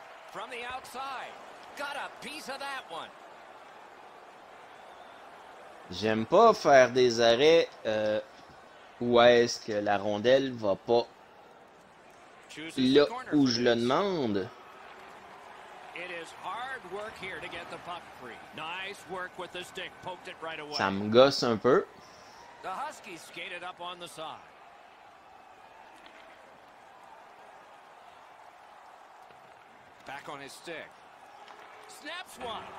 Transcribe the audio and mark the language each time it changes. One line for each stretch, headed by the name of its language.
English: From the outside, got a piece of that one.
French: J'aime pas faire des arrêts où est-ce que la rondelle va pas là où je le demande.
English: It is hard work here to get the puck free. Nice work with the stick, poked it right away.
French: Ça me gosse un peu.
English: The Huskies skated up on the side. Back on his stick. Snaps one.